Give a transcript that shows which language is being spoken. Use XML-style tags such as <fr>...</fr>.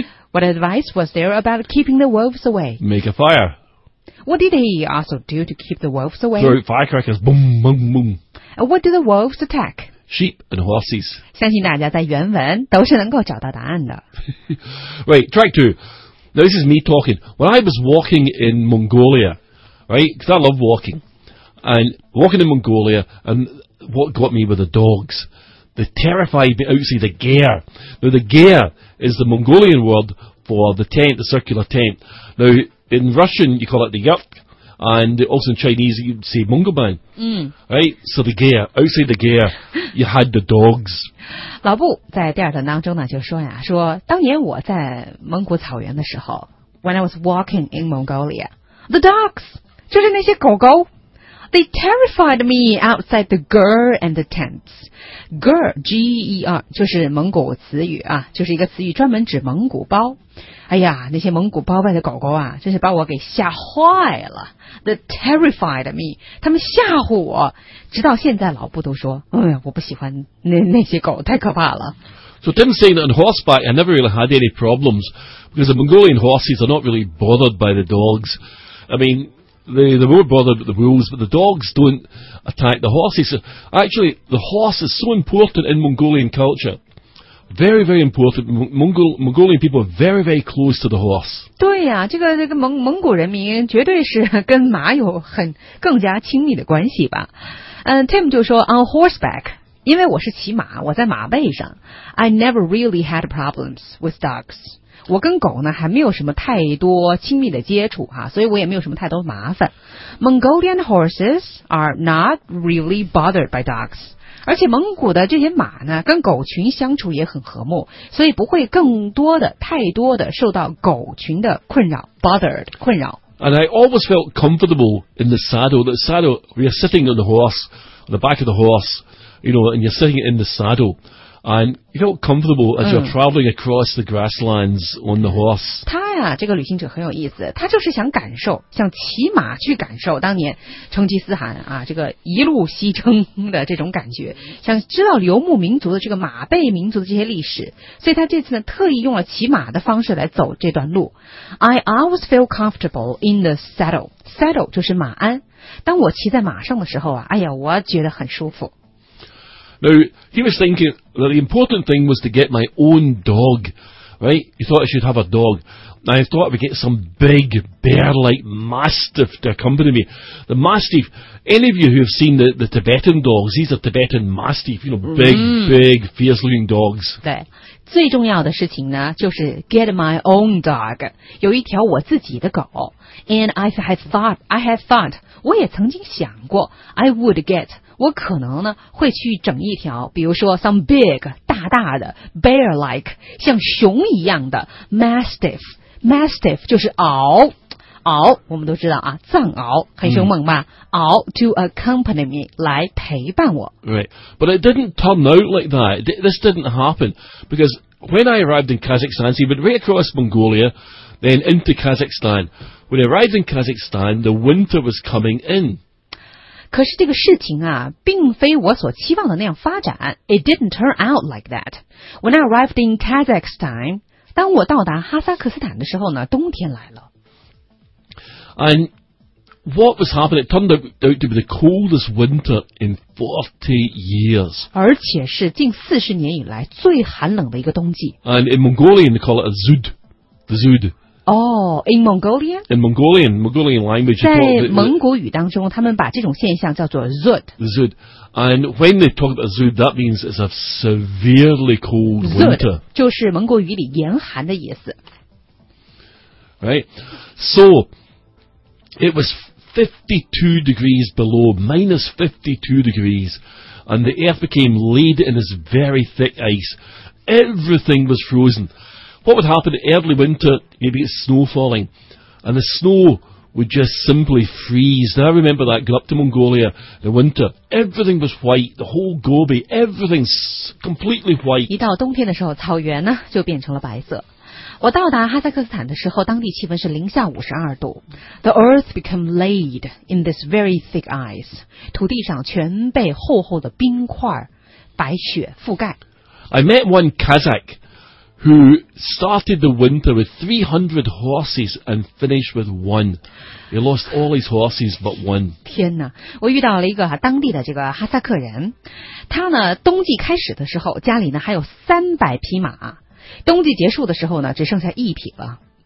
<en>What advice was there about keeping the wolves away? Make a fire. What did he also do to keep the wolves away? Throw firecrackers. Boom, boom, boom. And what do the wolves attack? Sheep and horses.</en> <zh>相信大家在原文都是能够找到答案的。</zh> <en>Right, track two. Now this is me talking. When I was walking in Mongolia, right, because I love walking, and walking in Mongolia, andWhat got me were the dogs. They terrified me outside the gare. Now, the gare is the Mongolian word for the tent, the circular tent. Now, in Russian, you call it the yurt, and also in Chinese, you'd say mongoban. Right? So the gare, outside the gare, you had the dogs.</en> <zh>老布在第二段当中呢就说呀，说当年我在蒙古草原的时候 ,</zh> <en>when I was walking in Mongolia, the dogs,</en> <zh>就是那些狗狗。</zh> <en>They terrified me outside the gur and the tents.</en> <zh>Gur, G-E-R, 就是蒙古词语啊，就是一个词语专门指蒙古包。哎呀，那些蒙古包外的狗狗啊，真是把我给吓坏了。</zh> <en>They terrified me.</en> <zh>他们吓唬我。直到现在老布都说，我不喜欢那些狗，太可怕了。</zh> <en>So Tim saying that on horseback, I never really had any problems, because the Mongolian horses are not really bothered by the dogs. I mean... They were bothered with the wolves, but the dogs don't attack the horses. Actually, the horse is so important in Mongolian culture. Very, very important. Mongolian people are very, very close to the horse.</en> <zh>对呀、啊、这个蒙古人民绝对是跟马有很更加亲密的关系吧。 Tim 就说</zh> <en>on horseback,</en> <zh>因为我是骑马我在马背上</zh> <en>I never really had problems with dogs.</en> <zh>我跟狗呢还没有什么太多亲密的接触、啊、所以我也没有什么太多麻烦。</zh> <en>Mongolian horses are not really bothered by dogs.</en> <zh>而且蒙古的这些马呢跟狗群相处也很和睦，所以不会更多的太多的受到狗群的困扰 bothered, 困扰。</zh> <en>And I always felt comfortable in the saddle. The saddle, where you're sitting on the horse, on the back of the horse, you know, and you're sitting in the saddle. And you felt comfortable as you're traveling across the grasslands on the horse.</en> <zh>他呀，这个旅行者很有意思，他就是想感受，想骑马去感受当年成吉思汗啊，这个一路西征的这种感觉，想知道游牧民族的这个马背民族的这些历史，所以他这次呢特意用了骑马的方式来走这段路。</zh> <en>I always feel comfortable in the saddle. Saddle</en> <zh>就是马鞍。当我骑在马上的时候啊，哎呀，我觉得很舒服。</zh> <en>Now, he was thinking that the important thing was to get my own dog, right? He thought I should have a dog. And I thought I would get some big, bear-like mastiff to accompany me. The mastiff, any of you who have seen the Tibetan dogs, these are Tibetan mastiff, you know, big, big, fierce-looking dogs.</en> <zh>对，最重要的事情呢，就是</zh> <en>get my own dog,</en> <zh>有一条我自己的狗。</zh> <en>And I have thought,</en> <zh>我也曾经想过</zh> <en>I would get...</en> <zh>我可能呢会去整一条，比如说</zh> <en>some big</en> <zh>大大的</zh> <en>bear like</en> <zh>像熊一样的 mastiff 就是獒，我们都知道啊，藏獒很凶猛吧？獒</zh> <en>to accompany me</en> <zh>来陪伴我。</zh> <en>Right, but it didn't turn out like that. This didn't happen because when I arrived in Kazakhstan, see, but right across Mongolia, then into Kazakhstan. When I arrived in Kazakhstan, the winter was coming in.</en> <zh>可是这个事情啊并非我所期望的那样发展。</zh> <en>It didn't turn out like that. When I arrived in Kazakhstan,</en> <zh>当我到达哈萨克斯坦的时候呢冬天来了。</zh> <en>And what was happening, it turned out to be the coldest winter in 40 years.</en> <zh>而且是近40年以来最寒冷的一个冬季。</zh> <en>And in Mongolian, they call it a Zud. The Zud. In Mongolian language,</en> <zh>在蒙古语当中，他们把这种现象叫做 Zud.</zh> <en>Zud, and when they talk about Zud, that means it's a severely cold winter.</en> <zh>Zud 就是蒙古语里严寒的意思。</zh> <en>Right, so it was 52 degrees below, minus 52 degrees, and the earth became laid in this very thick ice. Everything was frozen. What would happen early winter, maybe it's snow falling, and the snow would just simply freeze. Now I remember that, go up to Mongolia in the winter, everything was white, the whole Gobi, everything's completely white.</en> <zh>一到冬天的时候，草原呢就变成了白色。我到达哈萨克斯坦的时候，当地气温是零下52度。</zh> <en>The earth became laid in this very thick ice.</en> <zh>土地上全被厚厚的冰块、白雪覆盖。</zh> <en>I met one Kazakh. Who started the winter with 300 horses and finished with one. He lost all his horses but one.</en> <zh>天哪，我遇到了一个当地的这个哈萨克人。他呢，冬季开始的时候，家里呢还有300匹马。冬季结束的时候呢，只剩下一匹了。</zh>